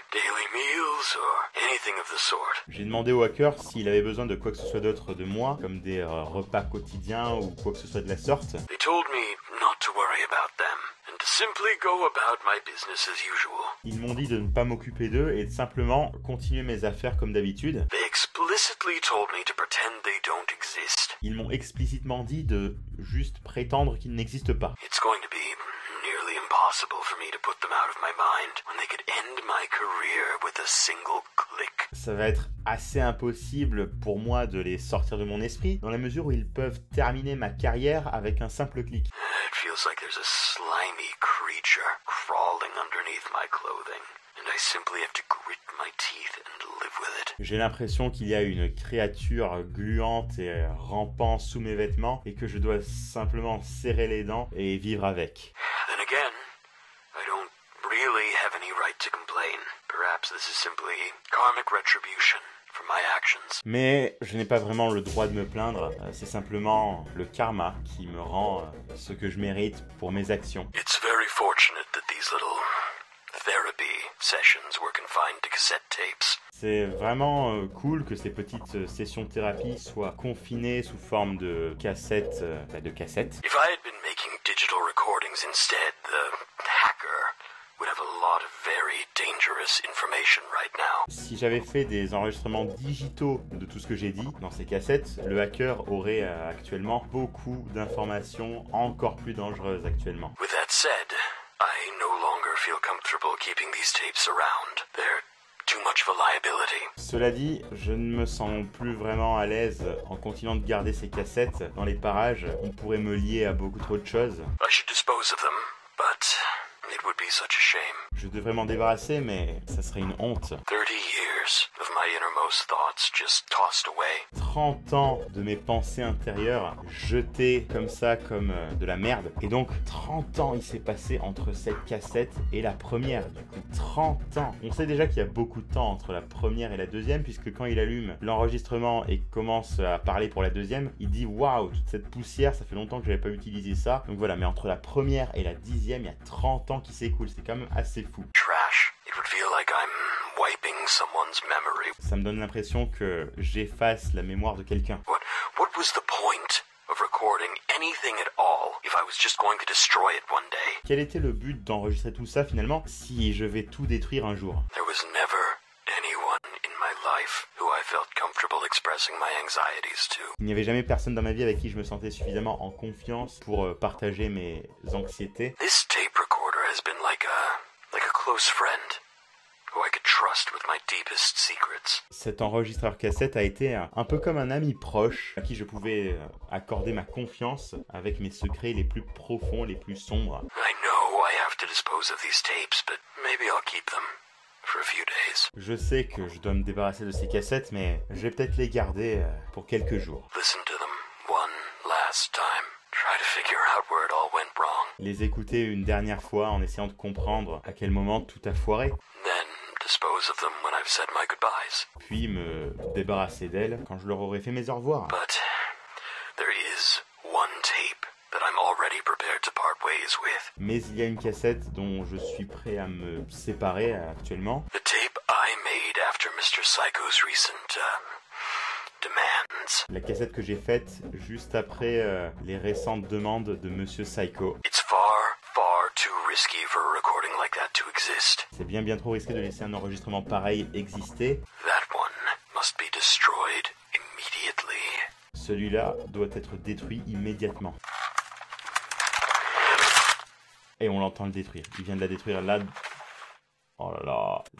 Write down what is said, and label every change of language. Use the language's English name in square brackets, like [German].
[English] Daily meals or anything of the sort. [French] J'ai demandé au hacker s'il avait besoin de quoi que ce soit d'autre de moi, comme des repas quotidiens ou quoi que ce soit de la sorte. [English] They told me not to worry about them. Simply go about my business as usual. [French] Ils m'ont dit de ne pas m'occuper d'eux et de simplement continuer mes affaires comme d'habitude. [English] They explicitly told me to pretend they don't exist. [French] Ils m'ont explicitement dit de juste prétendre qu'ils n'existent pas. [English] It's going to be nearly impossible for me to put them out of my mind when they could end my career with a single click. [French] Ça va être assez impossible pour moi de les sortir de mon esprit dans la mesure où ils peuvent terminer ma carrière avec un simple clic. [English] It feels like there's a slimy creature crawling underneath my clothing, and I simply have to grit my teeth and live with it. [French] J'ai l'impression qu'il y a une créature gluante et rampant sous mes vêtements et que je dois simplement serrer les dents et vivre avec. [English] Then again, I don't really have any right to complain. Perhaps this is simply karmic retribution. My actions. [French] Mais je n'ai pas vraiment le droit de me plaindre, c'est simplement le karma qui me rend ce que je mérite pour mes actions. [English] It's very fortunate that these little therapy sessions were confined to cassette tapes. [French] C'est vraiment cool que ces petites sessions de thérapie soient confinées sous forme de cassettes. [English] If I had been making digital recordings instead, the hacker would have a lot of very dangerous information right now. [French] Si j'avais fait des enregistrements digitaux de tout ce que j'ai dit dans ces cassettes, le hacker aurait actuellement beaucoup d'informations encore plus dangereuses actuellement. [English] With that said, I no longer feel comfortable keeping these tapes around. They're too much of a liability. [French] Cela dit, je ne me sens plus vraiment à l'aise en continuant de garder ces cassettes dans les parages. On pourrait me lier à beaucoup trop de choses. [English] I should dispose of them, but it would be such a shame. [French] Je devrais m'en débarrasser, mais ça serait une honte. [English] 30 years of my innermost thoughts just tossed away. [French] 30 ans de mes pensées intérieures jetées comme ça, comme de la merde. Et donc, 30 ans il s'est passé entre cette cassette et la première. Du coup, 30 ans. On sait déjà qu'il y a beaucoup de temps entre la première et la deuxième, puisque quand il allume l'enregistrement et commence à parler pour la deuxième, il dit « Waouh, toute cette poussière, ça fait longtemps que j'avais pas utilisé ça. » Donc voilà, mais entre la première et la dixième, il y a 30 ans qui s'écoule. C'est quand même assez fou. [English] Trash. It would feel like I'm wiping someone's memory. [French] Ça me donne l'impression que j'efface la mémoire de quelqu'un. [English] What was the point of recording anything at all if I was just going to destroy it one day? [French] Quel était le but d'enregistrer tout ça finalement si je vais tout détruire un jour? [English] There was never anyone in my life who I felt comfortable expressing my anxieties to. [French] Il n'y avait jamais personne dans ma vie avec qui je me sentais suffisamment en confiance pour partager mes anxiétés. [English] This tape recorder has been like a close friend. Who I could trust with my deepest secrets. [French] Cet enregistreur cassette a été un peu comme un ami proche à qui je pouvais accorder ma confiance avec mes secrets les plus profonds, les plus sombres. [English] I know I have to dispose of these tapes, but maybe I'll keep them for a few days. [French] Je sais que je dois me débarrasser de ces cassettes, mais je vais peut-être les garder pour quelques jours. [English] Listen to them one last time. Try to figure out where it all went wrong. [French] Les écouter une dernière fois en essayant de comprendre à quel moment tout a foiré. [English] Dispose of them when I've said my goodbyes. [French] Puis me débarrasser d'elles quand je leur aurai fait mes au revoir. [English] But there is one tape that I'm already prepared to part ways with. [French] Mais il y a une cassette dont je suis prêt à me séparer actuellement. [English] The tape I made after Mr. Psycho's recent demands. [French] La cassette que j'ai faite juste après les récentes demandes de Monsieur Psycho. [English] It's far, far too risky for a recording like that to exist. [French] C'est bien, bien trop risqué de laisser un enregistrement pareil exister. [English] That one must be destroyed immediately. [French] Celui-là doit être détruit immédiatement. Et on l'entend le détruire. Il vient de la détruire là. Oh là là.